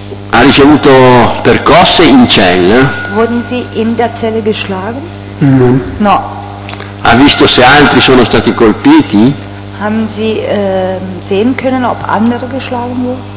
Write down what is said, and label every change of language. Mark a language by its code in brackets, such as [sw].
[it] Ha ricevuto percosse in cella? [de] Wurden sie in der Zelle geschlagen? Mm-hmm. [it] No. Ha visto se altri sono stati colpiti? [de] Haben sie sehen können, ob andere geschlagen wurden?